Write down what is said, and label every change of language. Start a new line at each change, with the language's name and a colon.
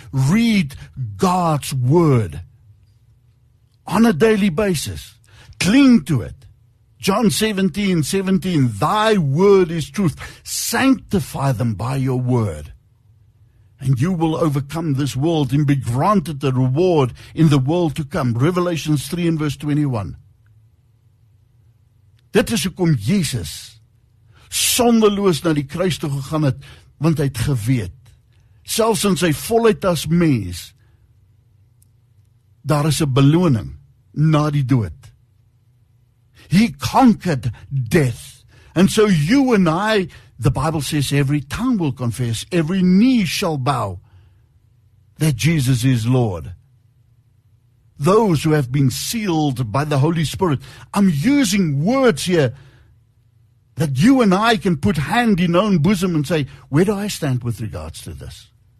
English: Read God's word on a daily basis. Cling to it. John 17:17, thy word is truth. Sanctify them by your word, and you will overcome this world and be granted the reward in the world to come. Revelation 3:21.
Afrikaans: Dit is hoekom Jesus sondeloos na die kruis toe gegaan het, want hy het geweet, selfs in sy volheid as mens, daar is 'n beloning na die dood.
English: He conquered death. And so you and I, the Bible says, every tongue will confess, every knee shall bow that Jesus is Lord. Those who have been sealed by the Holy Spirit. I'm using words here that you and I can put hand in own bosom and say, where do I stand with regards to this?